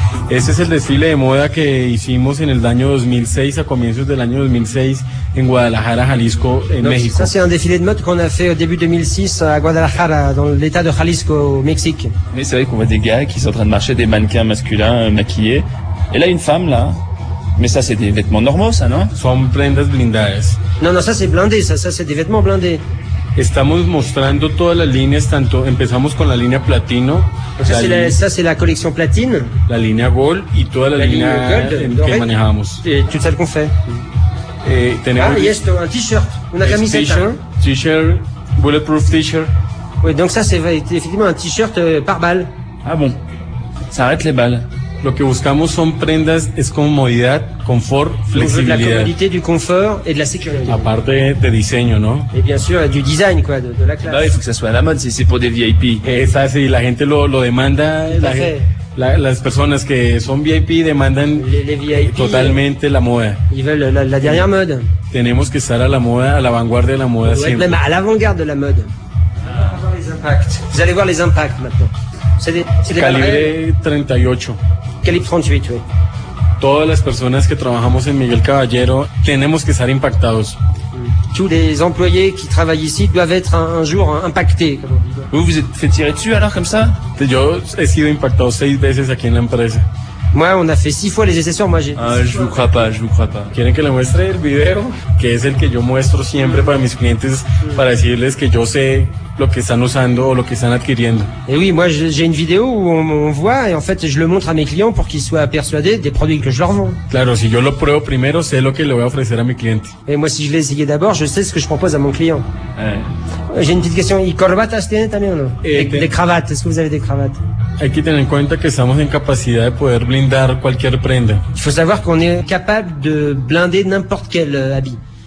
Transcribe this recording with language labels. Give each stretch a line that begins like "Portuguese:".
Spanish: Ese es el desfile de moda que hicimos en el año 2006, a comienzos del año 2006, en Guadalajara, Jalisco, en México.
French: Ça, c'est un défilé de mode qu'on a fait au début 2006 à Guadalajara, dans l'état de Jalisco, au Mexique. Mais c'est vrai qu'on voit des gars qui sont en train de marcher, des mannequins masculins maquillés. Et là, une femme, là. Mais ça, c'est des vêtements normaux, ça, non?
Spanish: Son prendas blindadas.
French: Non, ça, c'est blindé, ça, c'est des vêtements blindés.
Spanish: Estamos mostrando todas las líneas, tanto empezamos con la línea platino.
French: Ça, c'est la collection platine.
Spanish: La línea gold y toda la línea que manejamos. Y todo lo que hacemos. Tenemos. Ah, y esto, un t-shirt, una camiseta.
English: T-shirt, bulletproof t-shirt.
French: Oui, donc ça, c'est effectivement un t-shirt par balle. Ah bon, ça arrête les balles.
Spanish: Lo que buscamos son prendas es comodidad, confort, flexibilidad.
French: De la comodité, du confort et de la sécurité.
Spanish: Aparte de diseño, ¿no?
French: Et bien sûr, du design, quoi, de la classe. Bah, il faut que ça soit à la mode, si c'est pour des VIP.
Spanish: Ça, si la gente lo demanda. Las personas que son VIP demandan
French: les VIP,
Spanish: totalmente la moda.
French: Ils veulent la dernière mode.
Spanish: Tenemos que estar a la moda, a la vanguardia de la moda siempre.
French: Même à l'avant-garde de la mode. Vous allez voir les impacts maintenant.
Spanish: Calibre 38,
French: oui.
Spanish: Todas las personas que trabajamos en Miguel Caballero tenemos que estar impactados.
French: Tous les employés qui travaillent ici doivent être un jour impactés. Vous êtes fait tirer dessus alors comme ça?
Spanish: Yo he sido impactado 6 veces aquí en la empresa.
French: Moi, on a fait 6 fois les essais sur moi. Je vous crois pas.
Spanish: Quieren que le muestre el video, que es el que yo muestro siempre para mis clientes, para decirles que yo sé lo que están usando o lo que están adquiriendo.
French: Et oui, moi j'ai une vidéo où on voit et en fait je le montre à mes clients pour qu'ils soient persuadés des produits que je leur vends.
Spanish: Claro, si yo lo pruebo primero, sé lo que le voy a ofrecer a mi cliente.
French: Et moi si je l'ai essayé d'abord, je sais ce que je propose à mon client. Ouais. J'ai une petite question,
Spanish: ¿y corbatas tienen también o no?
French: Des cravates, est-ce que vous avez des cravates?
Spanish: Hay que tener en cuenta que estamos en capacidad de poder blindar cualquier prenda.
French: Il faut savoir qu'on est capable de blinder n'importe quel habit.